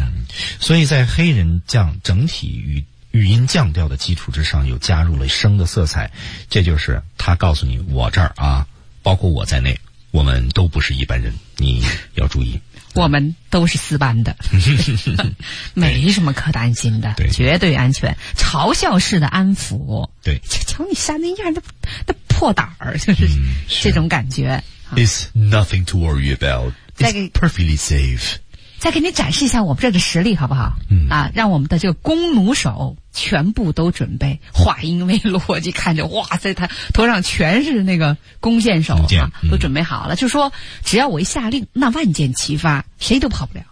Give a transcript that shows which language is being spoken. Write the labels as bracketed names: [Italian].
[Chinese] 嗯、所以在黑人降整体 语音降调的基础之上，又加入了声的色彩，这就是他告诉你，我这儿啊，包括我在内，我们都不是一般人，你要注意我们都是四班的没什么可担心的，对，绝对安全，嘲笑式的安抚，对，瞧你吓那样，那破胆儿，就是、嗯、是这种感觉。 [English] It's nothing to worry about, it's perfectly safe。 [Chinese] 再给你展示一下我们这个实力好不好、嗯、啊，让我们的这个弓弩手全部都准备，话音未落就看着，哇塞，他头上全是那个弓箭手、啊、都准备好了、嗯、就说只要我一下令，那万箭齐发，谁都跑不了。